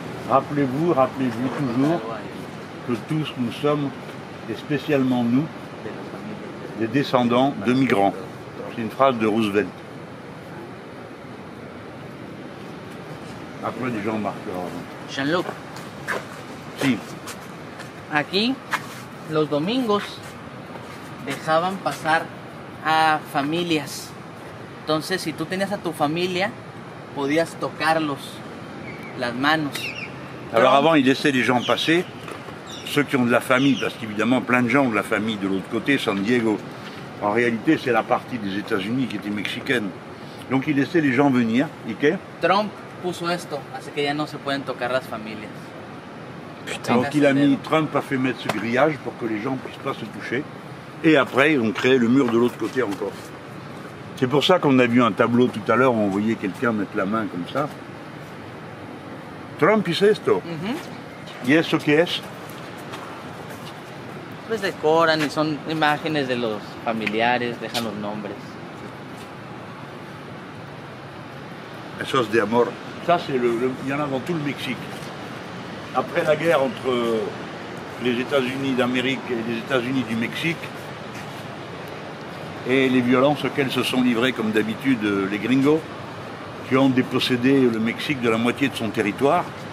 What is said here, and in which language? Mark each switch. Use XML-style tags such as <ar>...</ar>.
<fr>Rappelez-vous toujours que tous nous sommes, et spécialement nous, des descendants de migrants. C'est une phrase de Roosevelt. Après, des gens marquent. Jean-Luc.</fr> <es>Si. Aquí, los domingos dejaban pasar a familias. Entonces, si tú tenías a tu familia, podías tocarlos, las manos.</es> <fr>Alors avant, ils laissaient les gens passer, ceux qui ont de la famille, parce qu'évidemment, plein de gens ont de la famille de l'autre côté, San Diego. En réalité, c'est la partie des États-Unis qui était mexicaine. Donc, ils laissaient les gens venir.</fr> <en>Okay?</en> <es>Trump puso esto, así que ya no se pueden tocar las familias.</es> <fr>Putain. Donc, il a mis, Trump a fait mettre ce grillage pour que les gens ne puissent pas se toucher. Et après, ils ont créé le mur de l'autre côté encore. C'est pour ça qu'on a vu un tableau tout à l'heure où on voyait quelqu'un mettre la main comme ça.</fr> <es>Trump hizo esto. Uh-huh. ¿Y eso qué es? Pues decoran y son imágenes de los familiares, dejan los nombres. Eso es de amor.</es> <fr>Ça, c'est le, y en a dans tout le Mexique. Après la guerre entre les États-Unis d'Amérique et les États-Unis du Mexique, et les violences auxquelles se sont livrés, comme d'habitude, les gringos, qui ont dépossédé le Mexique de la moitié de son territoire.</fr>